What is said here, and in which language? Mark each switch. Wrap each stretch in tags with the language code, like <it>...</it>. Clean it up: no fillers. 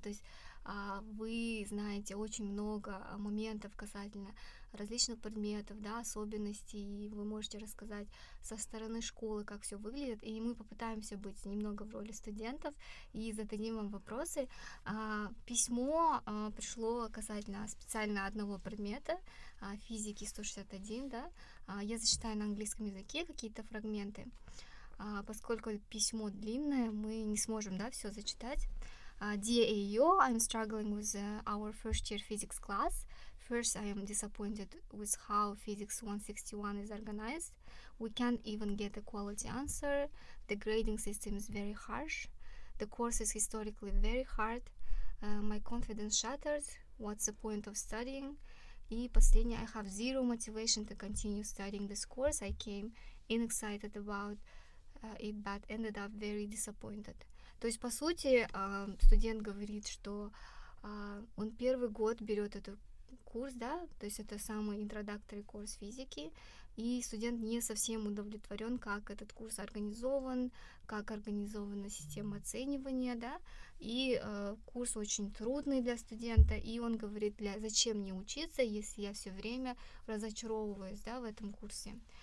<ru>То есть вы знаете очень много моментов касательно различных предметов, да, особенностей, и вы можете рассказать со стороны школы, как все выглядит, и мы попытаемся быть немного в роли студентов и зададим вам вопросы. Письмо пришло касательно специально одного предмета, физики 161, да. Я зачитаю на английском языке какие-то фрагменты. Поскольку письмо длинное, мы не сможем, да, все зачитать.</ru> <en>Dear AEO, I'm struggling with our first year physics class. First, I am disappointed with how physics 161 is organized. We can't even get a quality answer. The grading system is very harsh. The course is historically very hard. My confidence shattered. What's the point of studying?</en> <ru>И последнее,</ru> <en>I have zero motivation to continue studying this course. I came in excited about it, but ended up very disappointed.</en> <ru>То есть, по сути, студент говорит, что он первый год берет этот курс, да, то есть это самый introductory курс физики, и студент не совсем удовлетворен, как этот курс организован, как организована система оценивания, да, и курс очень трудный для студента, и он говорит, зачем мне учиться, если я все время разочаровываюсь, да, в этом курсе.</ru>